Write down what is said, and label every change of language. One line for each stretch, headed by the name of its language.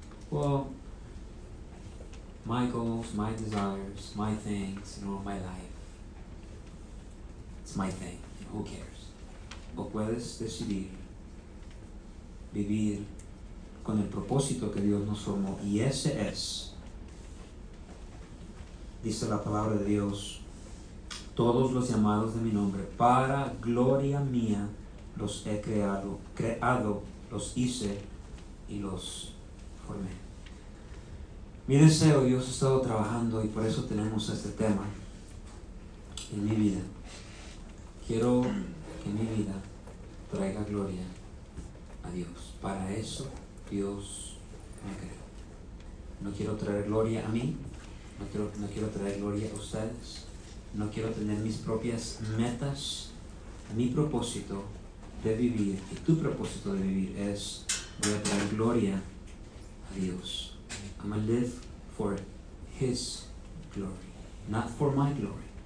English: Well, my goals, my desires, my things, you know, my life. It's my thing. Who cares?
Spanish: O puedes decidir vivir con el propósito que Dios nos formó. Y ese es, dice la palabra de Dios, todos los llamados de mi nombre, para gloria mía los he creado, los hice y los por mí. Mi deseo, Dios ha estado trabajando y por eso tenemos este tema en mi vida. Quiero que mi vida traiga gloria a Dios. Para eso Dios me creó. No quiero traer gloria a mí, no quiero traer gloria a ustedes, no quiero tener mis propias metas. Mi propósito de vivir y tu propósito de vivir es, voy a traer gloria a Dios.
English: I'm going to live for His glory, not for my glory.